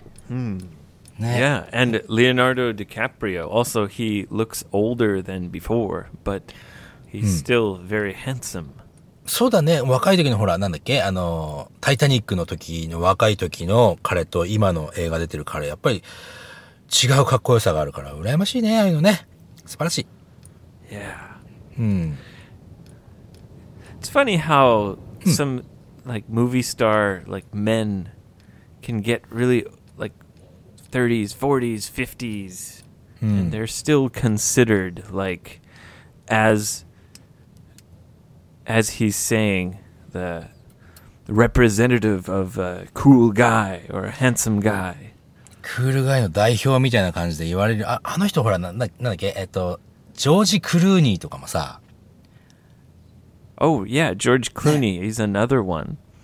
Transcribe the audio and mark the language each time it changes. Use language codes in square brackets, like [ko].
[ja] うん。 [en] ね、yeah, and Leonardo DiCaprio, also he looks older than before, but he's still very handsome.、 [ja] うん、そうだね、若い時のほら、なんだっけ、あの、タイタニックの時の若い時の彼と今の映画出てる彼、やっぱり違うかっこよさがあるから、羨ましいね、ああいうのね。素晴らしい。 [en] Yeah. [ja] うん。 [en] It's funny how some, like, movie star, like, men can get really,30s, 40s, 50s,、 [ja] うん、 [en] and they're still considered like as he's saying the representative of a cool guy or a handsome guy. Cool guy [ja] の代表みたいな感じで言われる。あの人ほら、なんだっけ、ジョージ・クルーニーとかもさ。 [en] Oh yeah, George Clooney is another one.